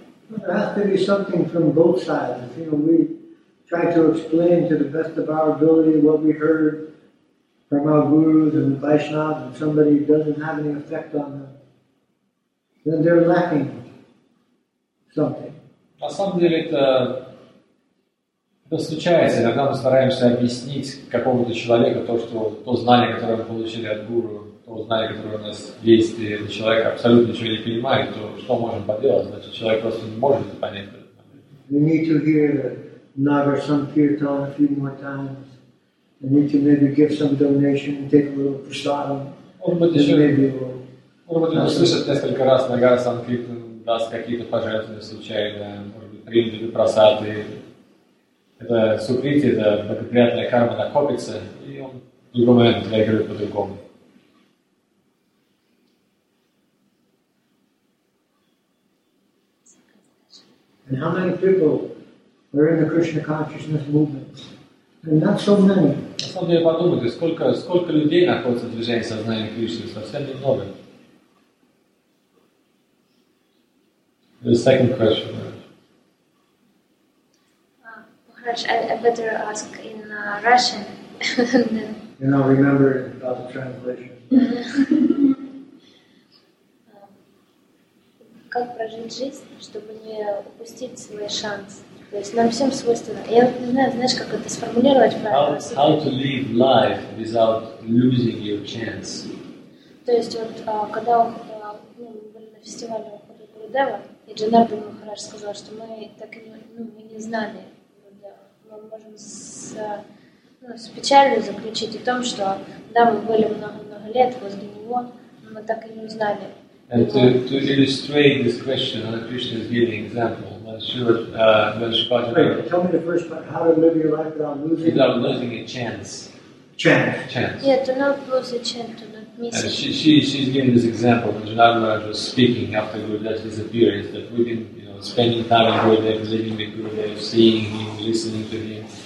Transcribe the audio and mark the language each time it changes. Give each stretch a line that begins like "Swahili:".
English: There has to be something from both sides. You know, we try to explain to the best of our ability what we heard from our gurus and Vaishnavas, and somebody doesn't have any effect on them. Then they're lacking something.
Russian: На самом деле это случается. Иногда мы стараемся объяснить какому-то человеку то знание, которое мы получили от гуру. То знание, которое у нас есть, и этот человек абсолютно ничего не понимает, то что можем поделать? Значит, человек просто не может это понять.
English: We need to hear the Nagar Sankirtan a few more times. We need to maybe give some donation and take a little prasadam.
Russian: Может быть, услышать несколько раз Нагар Санкиртан даст какие-то пожертвования случайно, может быть, примет или прасад. Это сукрити, это благоприятная карма накопится, и он в другой момент реагирует по-другому.
English: And how many people are in the Krishna consciousness movement? And not so many.
Russian: На самом деле, подумайте, сколько людей находится в движении сознания Кришны? Совсем немного.
English: The second question. Maharaj, I better ask in Russian. You know, remember about the translation.
Russian: Как прожить жизнь, чтобы не упустить свой шанс? То есть нам всем свойственно. Я не знаю, знаешь, как это сформулировать правильно?
English: How to live life without losing your chance?
Russian: То есть вот когда мы были на фестивале Ухода Гурудева, и Джанарда Махарадж сказал, что мы так мы не знали Гурудева. Мы можем с печалью заключить о том, что да, мы были много-много лет возле него, но мы так и не узнали.
English: And to illustrate this question, Krishna is giving an example. Wait, tell me the first part, how to live your life without losing a chance. Chance. Yeah, to not lose a chance, to not miss it. She's giving this example, but Jnana Maharaj was speaking after Gurudev's disappearance, that we've been spending time with Gurudev, living with Gurudev, seeing him, listening to him.